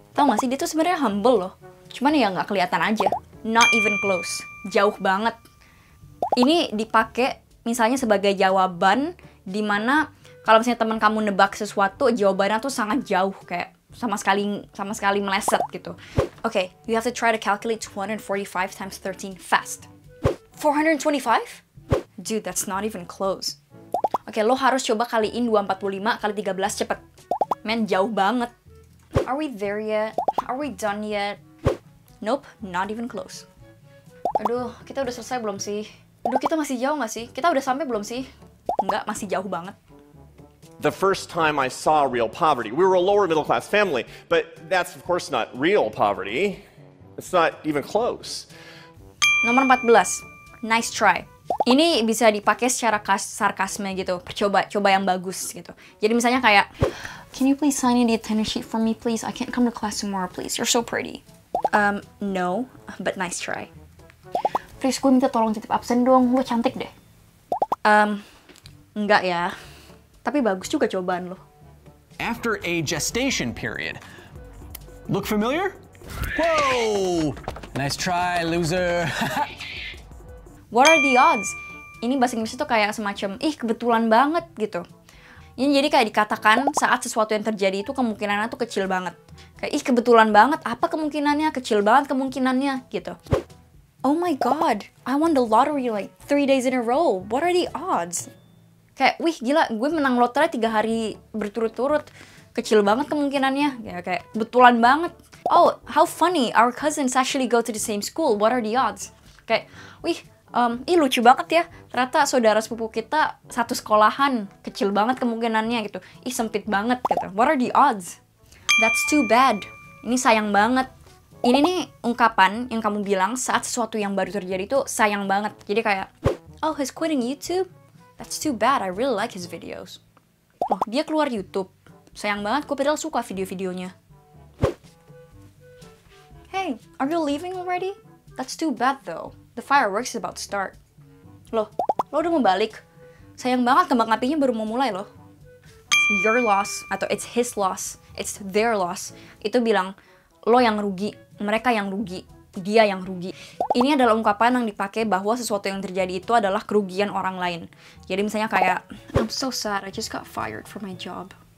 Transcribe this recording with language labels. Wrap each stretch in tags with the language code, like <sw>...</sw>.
<id>Tau gak sih, dia tuh sebenarnya humble loh. Cuman ya gak kelihatan aja.</id> <en>Not even close.</en> <id>Jauh banget. Ini dipakai misalnya sebagai jawaban di mana kalau misalnya teman kamu nebak sesuatu, jawabannya tuh sangat jauh kayak sama sekali meleset gitu.</id> <en>Okay, you have to try to calculate 245 times 13 fast. 425? Dude, that's not even close.</en> <id>Okay, lo harus coba kaliin 245 kali 13 cepet. Man, jauh banget.</id> <en>Are we there yet? Are we done yet? Nope, not even close.</en> <id>Aduh, kita udah selesai belum sih? Aduh, kita masih jauh gak sih? Kita udah sampai belum sih? Enggak, masih jauh banget.</id> <en>The first time I saw real poverty, we were a lower middle class family, but that's of course not real poverty. It's not even close.</en> <id>Nomor 14.</id> <en>Nice try.</en> <id>Ini bisa dipakai secara sarkasme gitu, percoba-coba yang bagus gitu. Jadi misalnya kayak,</id> <en>can you please sign in the attendance sheet for me please? I can't come to class tomorrow please. You're so pretty. No, but nice try.</en> <id>Please, gue minta tolong titip absen dong, lo cantik deh. Enggak ya. Tapi bagus juga cobaan lo.</id> <en>After a gestation period. Look familiar? Whoa! Nice try, loser. What are the odds?</en> <id>Ini bahasa Inggris itu kayak semacam, ih kebetulan banget gitu. Ini jadi kayak dikatakan saat sesuatu yang terjadi itu kemungkinannya tuh kecil banget. Kayak, ih kebetulan banget, apa kemungkinannya? Kecil banget kemungkinannya, gitu.</id> <en>Oh my god, I won the lottery like 3 days in a row. What are the odds?</en> <id>Kayak, wih gila, gue menang lotre 3 hari berturut-turut. Kecil banget kemungkinannya. Ya, kayak, betulan banget.</id> <en>Oh, how funny, our cousins actually go to the same school. What are the odds?</en> <id>Kayak, wih, lucu banget ya. Ternyata saudara sepupu kita satu sekolahan. Kecil banget kemungkinannya gitu. Ih, sempit banget gitu.</id> <en>What are the odds? That's too bad.</en> <id>Ini sayang banget. Ini nih ungkapan yang kamu bilang saat sesuatu yang baru terjadi itu sayang banget. Jadi kayak,</id> <en>oh, he's quitting YouTube? That's too bad, I really like his videos.</en> <id>Oh, dia keluar YouTube. Sayang banget, gue padahal suka video-videonya.</id> <en>Hey, are you leaving already? That's too bad though, the fireworks is about to start.</en> <id>Loh, lo udah mau balik? Sayang banget, kembang apinya baru mau mulai loh.</id> <en>Your loss,</en> <id>atau</id> <en>it's his loss, it's their loss.</en> <id>Itu bilang, lo yang rugi, mereka yang rugi, dia yang rugi. Ini adalah ungkapan yang dipakai bahwa sesuatu yang terjadi itu adalah kerugian orang lain. Jadi misalnya kayak,</id> <en>I'm so sad, I just got fired from my job.</en>